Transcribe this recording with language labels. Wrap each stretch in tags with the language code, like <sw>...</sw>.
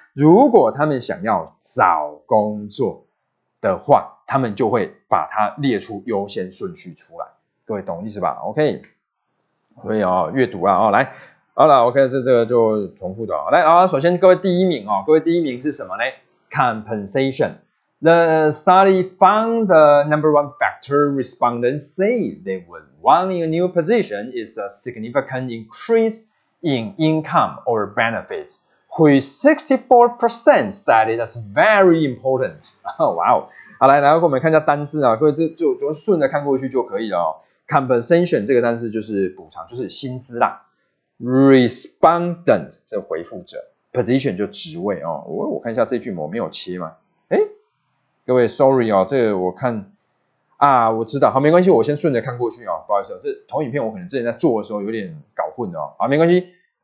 <zh>如果他们想要找工作的话，他们就会把它列出优先顺序出来。各位懂意思吧 ？OK。所以哦，阅读啊，哦，来，好了 ，OK， 这个就重复的哦。来，首先各位第一名哦，各位第一名是什么呢 ？Compensation。</zh> <en>The study found the number one factor respondents say they would want in a new position is a significant increase in income or benefits, which 64% cited as very important. Oh, wow.</en> <zh>好，来，我们看一下单字啊，各位就顺着看过去就可以了哦。 Compensation 这个单字就是补偿，就是薪资啦。 Respondent 这回复者 ，position 就职位哦。我看一下这句我没有切吗？各位 ，sorry 哦，这个我看啊，我知道，好，没关系，我先顺着看过去哦，不好意思，这投影片我可能之前在做的时候有点搞混哦，好，没关系。</zh>